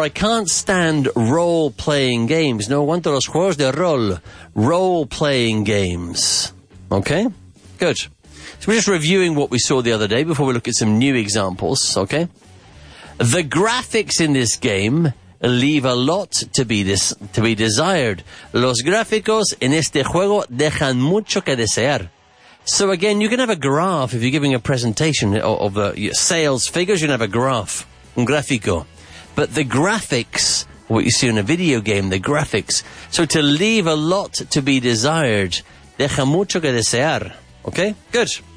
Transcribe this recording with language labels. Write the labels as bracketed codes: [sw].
[en] I can't stand role-playing games. [es] No aguanto los juegos de rol. [en] Role-playing games, okay? Good. So we're just reviewing what we saw the other day before we look at some new examples, okay? The graphics in this game leave a lot to be desired. [es] Los gráficos en este juego dejan mucho que desear. [en] So again, you can have a graph if you're giving a presentation of the sales figures. You can have a graph, [es] un gráfico. [en] But the graphics, what you see in a video game, the graphics. So to leave a lot to be desired, [es] deja mucho que desear. [en] Okay, good.